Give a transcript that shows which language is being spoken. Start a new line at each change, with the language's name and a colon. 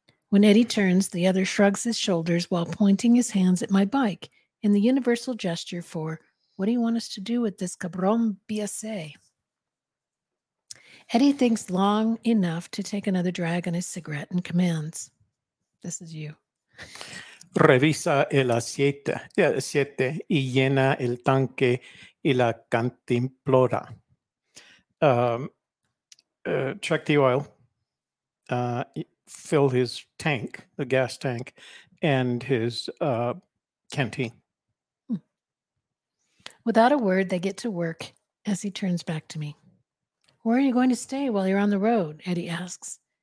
English: When Eddie turns, the other shrugs his shoulders while pointing his hands at my bike in the universal gesture for, what do you want us to do with this cabrón BSA? Eddie thinks long enough to take another drag on his cigarette and commands, this is you.
Spanish: Revisa el aceite y llena el tanque y la cantimplora.
English: Check the oil. Fill his tank, the gas tank, and his canteen. Without a word, they get to work as he turns back to me. Where are you going to stay while you're on the road? Eddie asks.